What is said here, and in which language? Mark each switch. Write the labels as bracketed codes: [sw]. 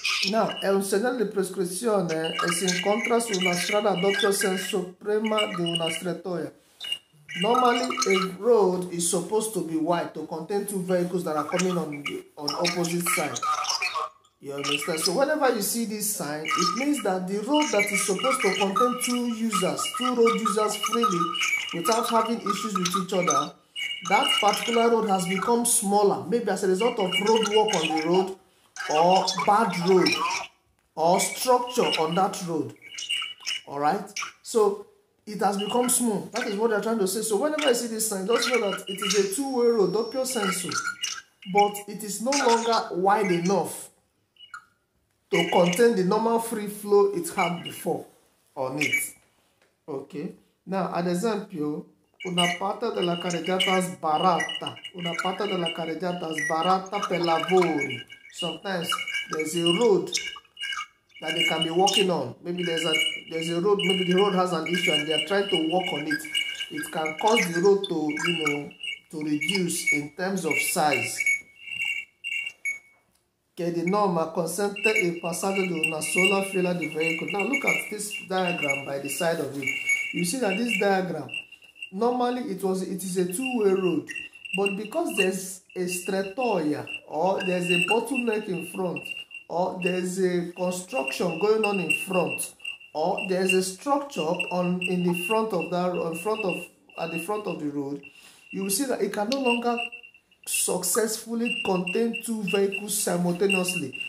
[it] Now, è un segnale di prescrizione e si incontra su una strada a doppio senso prima di una strettoia. [en] Normally, a road is supposed to be wide to contain two vehicles that are coming on the on opposite side. You understand? So whenever you see this sign, it means that the road that is supposed to contain two road users freely, without having issues with each other, that particular road has become smaller, maybe as a result of road work on the road, or bad road, or structure on that road. Alright? So, it has become small. That is what they are trying to say. So whenever you see this sign, just know that it is a two-way road, doppio senso, but it is no longer wide enough to contain the normal free flow it had before on it. Okay. Now, an example, [it] Una parte della carreggiata sbaratta, una parte della carreggiata sbaratta per lavori. [en] Sometimes there's a road that they can be walking on. Maybe there's a road, maybe the road has an issue and they are trying to work on it. It can cause the road to, to reduce in terms of size. [it] Che di norma consente il passaggio di una sola fila di veicoli. [en] Now look at this diagram by the side of it. You see that this diagram, normally it is a two-way road, but because there's a stretoia or there's a bottleneck in front or there's a construction going on in front or there's a structure on in the front of that in front of at the front of the road, you will see that it can no longer successfully contain two vehicles simultaneously.